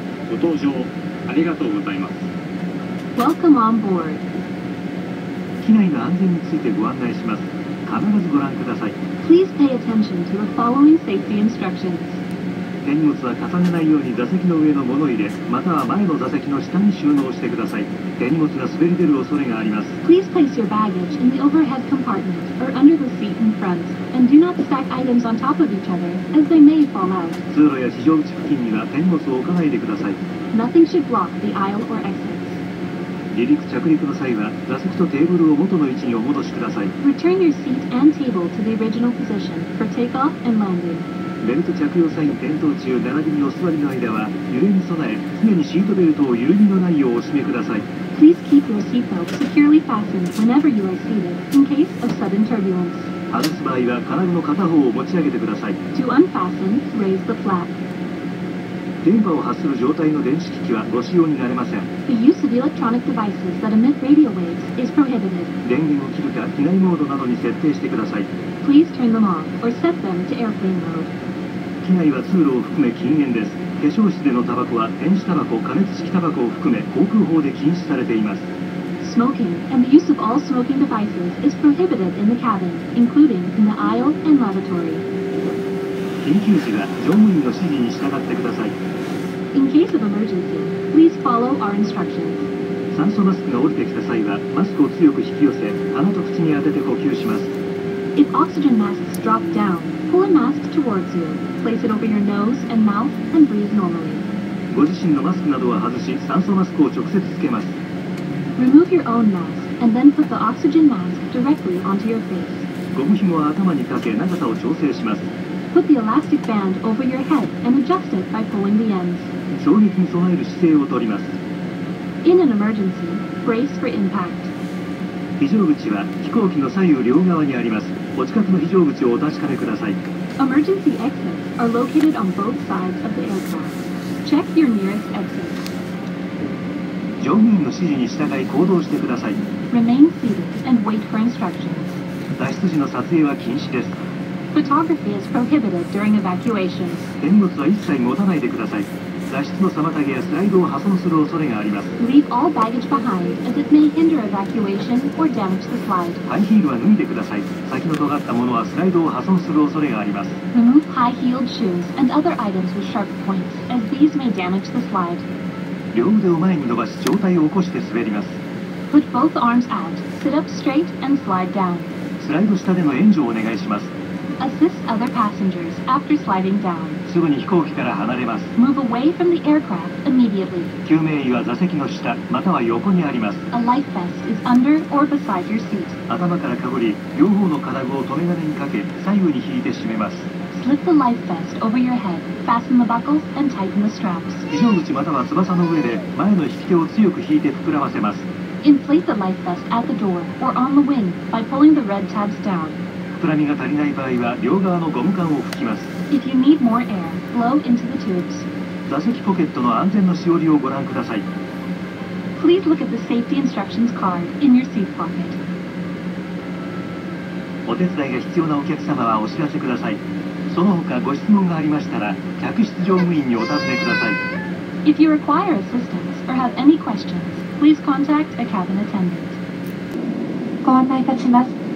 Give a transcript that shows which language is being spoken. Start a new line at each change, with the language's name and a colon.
Japanese: ご搭乗ありがとうございます。
English: Welcome on board.
Japanese: 機内の安全についてご案内します。必ずご覧ください。
English: Please pay attention to the following safety instructions.
Japanese: 手荷物は重ねないように座席の上の物入れ、または前の座席の下に収納してください。手荷物が滑り出る恐れがあります。
English: Please place your baggage in the overhead compartment or under the seat in front. And do not stack items on top of each other, as they may fall out.
Japanese: 通路や非常口付近には手荷物を置かないでください。
English: Nothing should block the aisle or exits.
Japanese: 離陸着陸の際は座席とテーブルを元の位置にお戻しください。
English: Return your seat and table to the original position for takeoff and landing.
Japanese: ベルト着用際に点灯中並びにお座りの間は揺れに備え常にシートベルトを緩みのないようお締めください。
English: Please keep your seatbelt securely fastened whenever you are seated in case of sudden turbulence.
Japanese: 外す場合は金具の片方を持ち上げてください。
English: To unfasten, raise the flap.
Japanese: 電波を発する状態の電子機器はご使用になれません。
English: The use of electronic devices that emit radio waves is prohibited.
Japanese: 電源を切るか機内モードなどに設定してください。
English: Please turn them off or set them to airplane mode.
Japanese: 機内は通路を含め禁煙です。化粧室でのタバコは電子タバコ、加熱式タバコを含め航空法で禁止されています。
English: Smoking and the use of all smoking devices is prohibited in the cabin, including in the aisle and lavatory.
Japanese: 緊急時は乗務員の指示に従ってください。
English: In case of emergency, please follow our instructions.
Japanese: 酸素マスクが降りてきた際は、マスクを強く引き寄せ、鼻と口に当てて呼吸します。
English: If oxygen masks drop down, pull a mask towards you. Place it over your nose and mouth and breathe normally.
Japanese: ご自身のマスクなどは外し、酸素マスクを直接つけます。
English: Remove your own mask and then put the oxygen mask directly onto your face.
Japanese: ゴム紐は頭にかけ長さを調整します。
English: Put the elastic band over your head and adjust it by pulling the ends.
Japanese: 衝撃に備える姿勢をとります。
English: In an emergency, brace for impact.
Japanese: 非常口は飛行機の左右両側にあります。お近くの非常口をお確かめください。
English: Emergency exits are located on both sides of the aircraft. Check your nearest exit.
Japanese: 乗務員の指示に従い行動してください。
English: Remain seated and wait for instructions.
Japanese: 脱出時の撮影は禁止です。
English: Photography is prohibited during evacuation.
Japanese: 手荷物は一切持たないでください。脱出の妨げやスライドを破損する恐れがあります。
English: Leave all baggage behind as it may hinder evacuation or damage the slide.
Japanese: ハイヒールは脱いでください。先の尖ったものはスライドを破損する恐れがあります。
English: Remove high-heeled shoes and other items with sharp points as these may damage the slide.
Japanese: 両腕を前に伸ばし上体を起こして滑ります。
English: Put both arms out, sit up straight and slide down.
Japanese: スライド下での援助をお願いします。
English: Assist other passengers after sliding down.
Japanese: すぐに飛行機から離れます。
English: Move away from the aircraft immediately.
Japanese: 救命衣は座席の下または横にあります。
English: A life vest is under or beside your seat.
Japanese: 頭からかぶり、両方の金具を留め金にかけ、左右に引いて締めます。
English: Slip the life vest over your head, fasten the buckles and tighten the straps.
Japanese: 非常口または翼の上で前の引き手を強く引いて膨らませます。
English: Inflate the life vest at the door or on the wing by pulling the red tabs down.
Japanese: 膨らみが足りない場合は両側のゴム管を吹きます。
English: If you need more air, blow into the tubes.
Japanese: 座席ポケットの安全のしおりをご覧ください。
English: Please look at the safety instructions card in your seat pocket.
Japanese: お手伝いが必要なお客様はお知らせください。その他ご質問がありましたら、客室乗務員にお尋ねください。
English: If you require assistance or have any questions, please contact a cabin attendant.
Japanese: ご案内いたします。